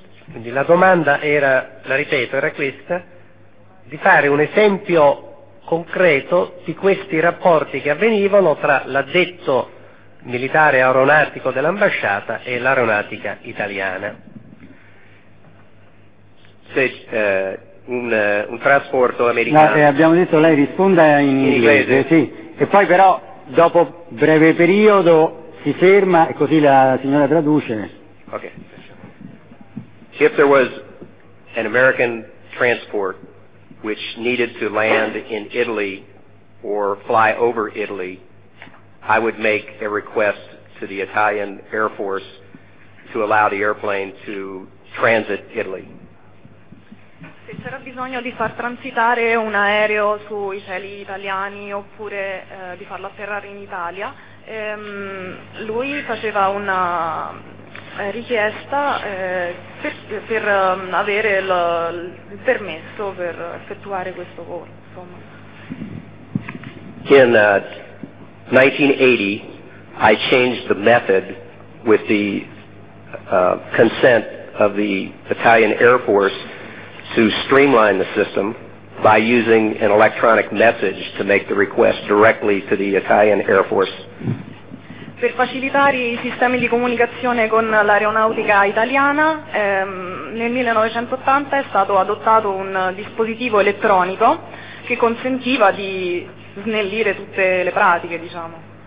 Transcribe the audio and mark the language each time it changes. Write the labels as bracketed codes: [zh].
[it] Quindi la domanda era, la ripeto, era questa, di fare un esempio concreto di questi rapporti che avvenivano tra l'addetto militare aeronautico dell'ambasciata e l'aeronautica italiana. Se un trasporto americano... No, abbiamo detto lei risponda in inglese. Sì. E poi però dopo breve periodo si ferma e così la signora traduce. Ok. [en] If there was an American transport which needed to land in Italy or fly over Italy, I would make a request to the Italian Air Force to allow the airplane to transit Italy. [it] Se c'era bisogno di far transitare un aereo sui cieli italiani oppure di farlo atterrare in Italia, lui faceva una richiesta per avere il permesso per effettuare questo volo, insomma. [en] In 1980, I changed the method with the consent of the Italian Air Force to streamline the system by using an electronic message to make the request directly to the Italian Air Force. [it] Per facilitare i sistemi di comunicazione con l'aeronautica italiana, nel 1980 è stato adottato un dispositivo elettronico che consentiva di snellire tutte le pratiche, diciamo.